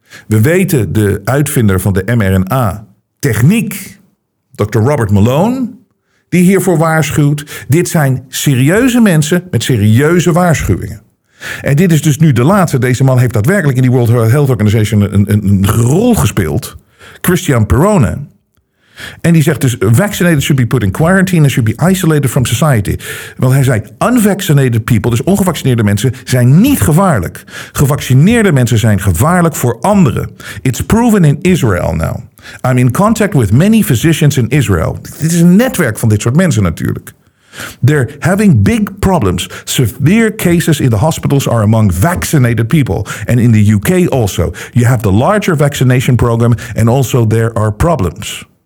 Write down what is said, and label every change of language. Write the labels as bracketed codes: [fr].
[nl] We weten de uitvinder van de mRNA-techniek, Dr. Robert Malone, die hiervoor waarschuwt. Dit zijn serieuze mensen met serieuze waarschuwingen. En dit is dus nu de laatste. Deze man heeft daadwerkelijk in die World Health Organization een rol gespeeld. Christian Perrone. En die zegt dus, [en] vaccinated should be put in quarantine and should be isolated from society. [nl] Want hij zei, [en] unvaccinated people, [nl] dus ongevaccineerde mensen, zijn niet gevaarlijk. Gevaccineerde mensen zijn gevaarlijk voor anderen. [en] It's proven in Israel now. I'm in contact with many physicians in Israel. [nl] Dit is een netwerk van dit soort mensen natuurlijk. [en] They're having big problems. Severe cases in the hospitals are among vaccinated people. And in the UK also. You have the larger vaccination program and also there are problems.